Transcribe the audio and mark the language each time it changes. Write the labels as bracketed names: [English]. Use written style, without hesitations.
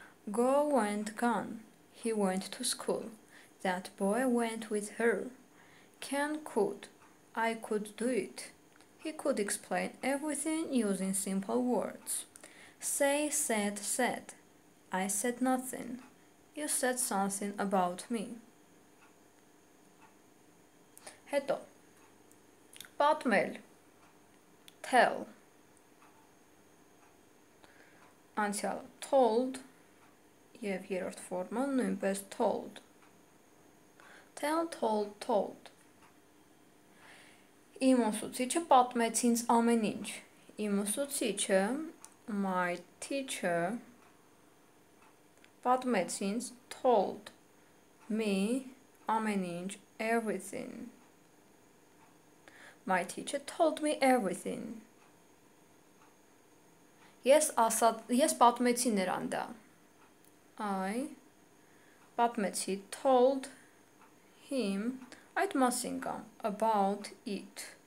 [English] Go, went, gone. He went to school. That boy went with her. Can, could. I could do it. He could explain everything using simple words. Say, said, said. I said nothing. You said something about me. [Armenian] Հետո, պատմել, tell, անցյալ, told, և երրորդ ֆորմը նույնպես told. [English] Tell, told, told. [Armenian] Իմ ուսուցիչը պատմեց ինձ ամեն ինչ. Իմ ուսուցիչը, [English] my teacher, [Armenian] պատմեց ինձ, [English] told me [Armenian] ամեն ինչ, everything. [English] My teacher told me everything. [Armenian] Ես պատմեցի նրան դա. I պատմեցի, [English] told him [Armenian] այդ մասին կամ [English] about it.